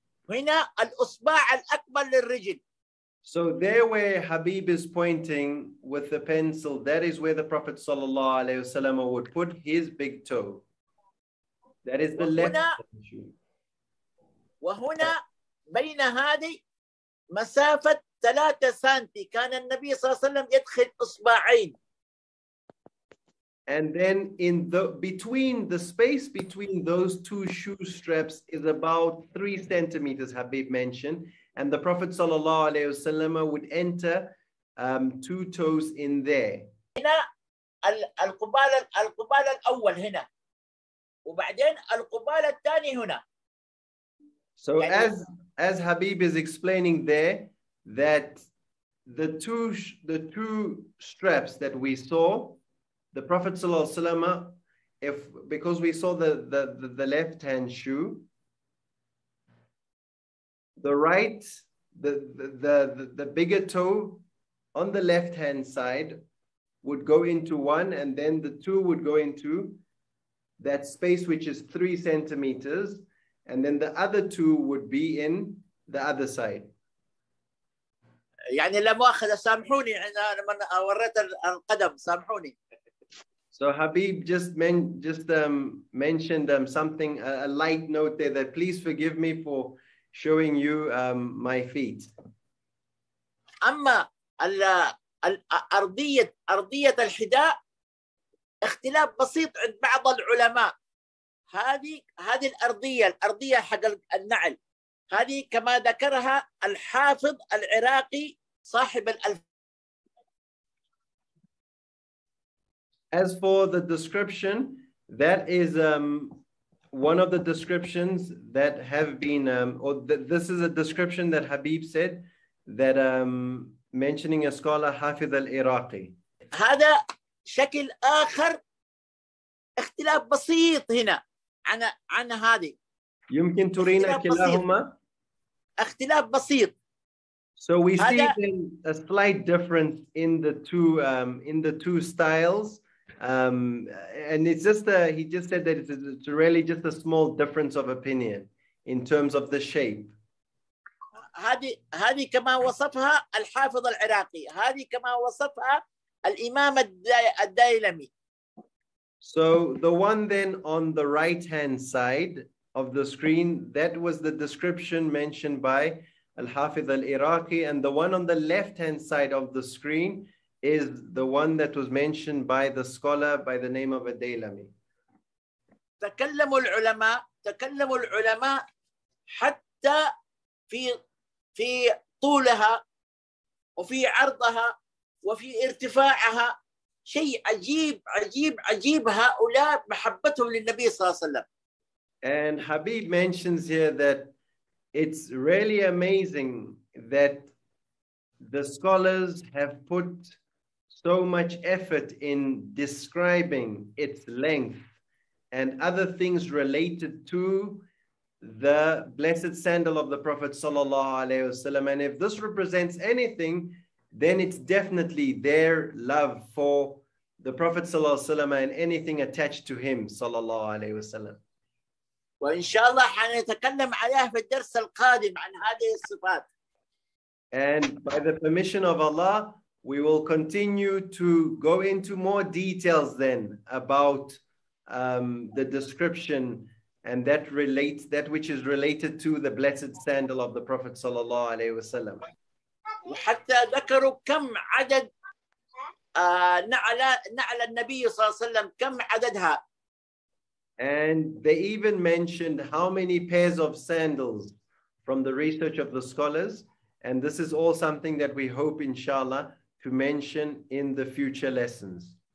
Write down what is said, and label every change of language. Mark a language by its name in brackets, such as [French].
[Arabic] هنا الأصبع الأكبر للرجل. [English] So there where Habib is pointing with the pencil, that is where the Prophet sallallahu alayhi wa sallam would put his big toe. That is the وهنا, left shoe. [Arabic] وهنا بين هذه مسافة 3 سنتي كان النبي صلى الله عليه وسلم يدخل إصبعين. [English] And then in the between the space between those two shoe straps is about 3 centimeters, Habib mentioned, and the Prophet [Arabic] صلى الله عليه وسلم [English] would enter two toes in there. [Arabic] هنا القبال الأول هنا وبعدين القبال الثاني هنا. [English] So يعني as Habib is explaining there, that the two straps that we saw, the Prophet sallallahu alaihi wasallam, if because we saw the left hand shoe, the right the bigger toe on the left hand side would go into one, and then the two would go into that space which is 3 centimeters, and then the other two would be in the other side. [Arabic] يعني لما أخذ سامحوني أنا لما أوريت القدم سامحوني. [English] So Habib just mentioned something a light note there that please forgive me for showing you my feet. [Arabic] أما أرضية الحذاء اختلاف بسيط عند بعض العلماء. هذه الأرضية حق النعل. هذه كما ذكرها الحافظ العراقي صاحب الألف. [English] As for the description, that is one of the descriptions that have been, this is a description that Habib said, that mentioning a scholar, Hafiz al-Iraqi. [Arabic] هذا شكل آخر اختلاف بسيط هنا عن هذه. يمكن ترينا كلاهما؟ اختلاف بسيط. [English] So we see a slight difference in the two styles, and it's just he just said that it's really just a small difference of opinion in terms of the shape. [Arabic] هذه كما وصفها الحافظ العراقي. هذه كما وصفها الإمام الدايلمي. [English] So the one then on the right hand side of the screen, that was the description mentioned by Al-Hafiz al-Iraqi, and the one on the left-hand side of the screen is the one that was mentioned by the scholar by the name of Adaylami. [Arabic] تكلم العلماء حتى في طولها وفي عرضها وفي ارتفاعها شيء عجيب عجيب عجيب هؤلاء محبتهم للنبي صلى الله عليه وسلم. [English] And Habib mentions here that it's really amazing that the scholars have put so much effort in describing its length and other things related to the blessed sandal of the Prophet sallallahu alaihi wasallam. And if this represents anything, then it's definitely their love for the Prophet sallallahu alaihi wasallam and anything attached to him sallallahu alaihi wasallam. [Arabic] وإن شاء الله حنتكلم عليها في الدرس القادم عن هذه الصفات. [English] And by the permission of Allah, we will continue to go into more details then about the description and that relates that which is related to the blessed sandal of the Prophet [Arabic] صلى الله عليه وسلم. وحتى ذكروا كم عدد نعل النبي صلى الله عليه وسلم كم عددها. [English] And they even mentioned how many pairs of sandals from the research of the scholars. And this is all something that we hope, inshallah, to mention in the future lessons.